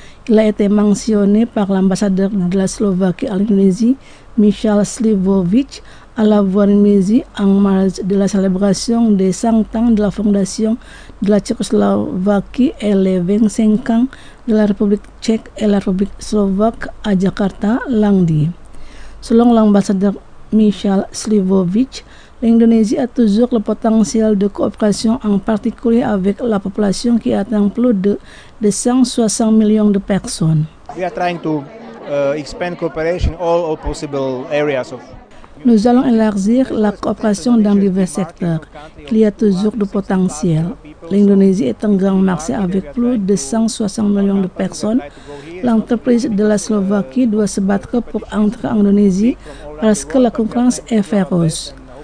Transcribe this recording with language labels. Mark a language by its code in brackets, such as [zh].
[fr] Il a été mentionné par l'ambassadeur de la Slovaquie à l'Indonésie, Michal Slivovic, à la Voix d'Indonésie en marge de la célébration des 100 ans de la fondation de la Tchécoslovaquie et les 25 ans de la République tchèque et la République slovaque à Jakarta, lundi. Selon l'ambassadeur Michal Slivovic, l'Indonésie a toujours le potentiel de coopération, en particulier avec la population qui atteint plus de 260 millions de personnes. [en] We are trying to expand cooperation all possible areas of. [fr] Nous allons élargir la coopération dans divers secteurs. Il y a toujours du potentiel. L'Indonésie est un grand marché avec plus de 160 millions de personnes. L'entreprise de la Slovaquie doit se battre pour entrer en Indonésie parce que la concurrence est féroce.